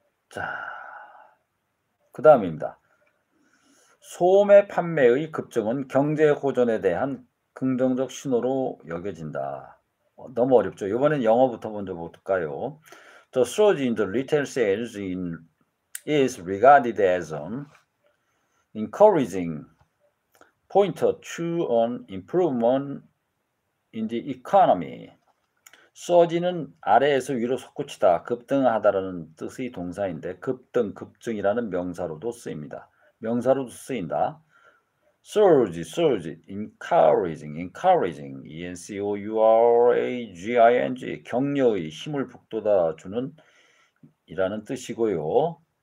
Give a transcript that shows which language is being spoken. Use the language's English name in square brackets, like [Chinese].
[Korean] 자, 그 다음입니다. 소매 판매의 급증은 경제 호전에 대한 긍정적 신호로 여겨진다. 너무 어렵죠. 이번엔 영어부터 먼저 볼까요? [English] The surge in the retail sales is regarded as an encouraging pointer to an improvement in the economy. [Korean] 서지는 아래에서 위로 솟구치다, 급등하다라는 뜻의 동사인데 급등, 급증이라는 명사로도 쓰입니다. 명사로도 쓰인다. Surge, encouraging, encouraging, 격려의 힘을 북돋아 주는 이라는 뜻이고요.